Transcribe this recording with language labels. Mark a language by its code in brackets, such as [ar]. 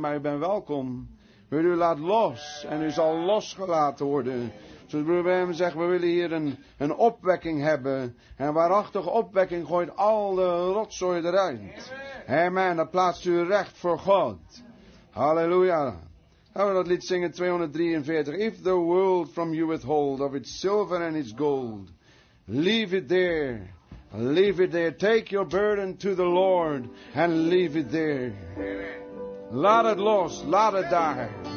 [nl] Maar u bent welkom. Weet u, laat los. En u zal losgelaten worden. Zoals broer Bram zegt, we willen hier een opwekking hebben. En waarachtige opwekking gooit al de rotzooi eruit. Amen, dat plaatst u recht voor God. Halleluja. Gaan we dat lied zingen, 243. [en] If the world from you withhold of its silver and its gold, leave it there. Leave it there. Take your burden to the Lord and leave it there. [nl] Laat het los, laat het daar.